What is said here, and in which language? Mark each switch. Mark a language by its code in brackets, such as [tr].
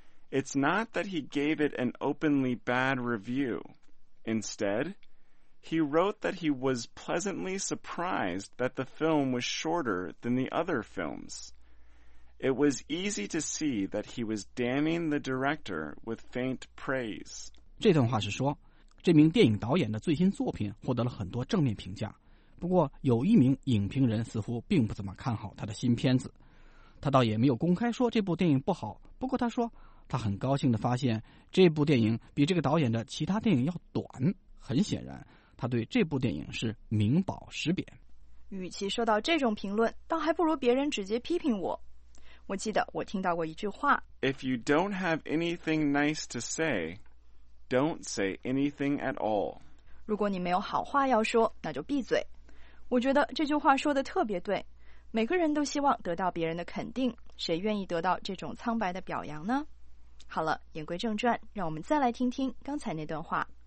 [en] It's not that he gave it an openly bad review. Instead,He wrote that he was pleasantly surprised that the film was shorter than the other films. It was easy to see that he was damning the director with faint praise. [zh] 这段话是说，这名电影导演的最新作品获得了很多正面评价，不过有一名影评人似乎并不怎么看好他的新片子。他倒也没有公开说这部电影不好，不过他说，他很高兴地发现这部电影比这个导演的其他电影要短。很显然他对这部电影是名保实贬。与其受到这种评论，倒还不如别人直接批评我。我记得我听到过一句话 [en] If you don't have anything nice to say, don't say anything at all. [zh] 如果你没有好话要说，那就闭嘴。我觉得这句话说得特别对。每个人都希望得到别人的肯定，谁愿意得到这种苍白的表扬呢？好了，言归正传，让我们再来听听刚才那段话。